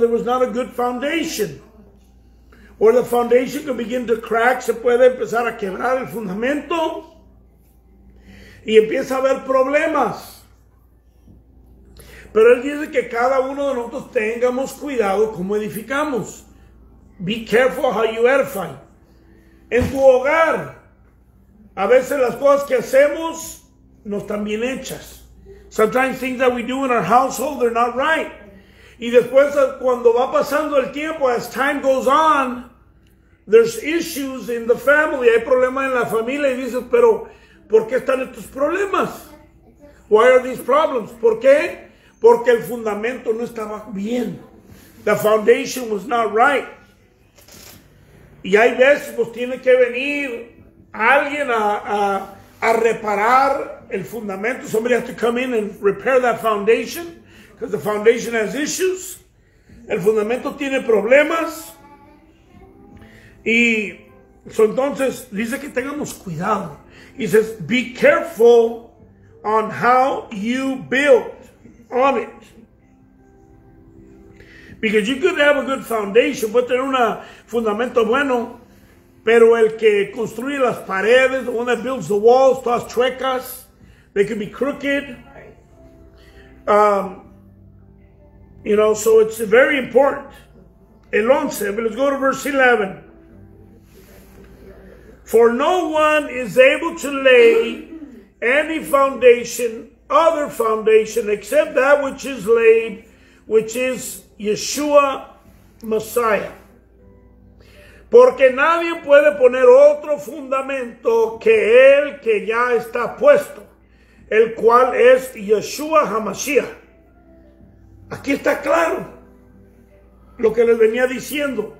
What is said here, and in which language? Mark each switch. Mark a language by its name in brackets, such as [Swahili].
[English] There was not a good foundation. Or the foundation can begin to crack, [Spanish] se puede empezar a quebrar el fundamento, y empieza a haber problemas. Pero él dice que cada uno de nosotros tengamos cuidado cómo edificamos. [English] Be careful how you edify. [Spanish] En tu hogar, a veces las cosas que hacemos no están bien hechas. [English] Sometimes things that we do in our household, they're not right. [Spanish] Y después, cuando va pasando el tiempo, [English] as time goes on, there's issues in the family. [Spanish] Hay problemas en la familia. Y dices, pero ¿por qué están estos problemas? [English] Why are these problems? [Spanish] ¿Por qué? Porque el fundamento no estaba bien. [English] The foundation was not right. [Spanish] Y hay veces, pues tiene que venir alguien a reparar el fundamento. [English] Somebody has to come in and repair that foundation, because the foundation has issues. [Spanish] El fundamento tiene problemas. Y so entonces dice que tengamos cuidado. [English] He says, be careful on how you build on it. Because you could have a good foundation, [Spanish] puede tener un fundamento bueno, pero el que construye las paredes, [English] the one that builds the walls, [Spanish] todas chuecas, [English] they could be crooked. You know, so it's very important. El 11, but let's go to verse 11. For no one is able to lay any foundation, other foundation, except that which is laid, which is Yeshua, Messiah. [Spanish] Porque nadie puede poner otro fundamento que el que ya está puesto, el cual es Yeshua HaMashiach. Aquí está claro lo que les venía diciendo.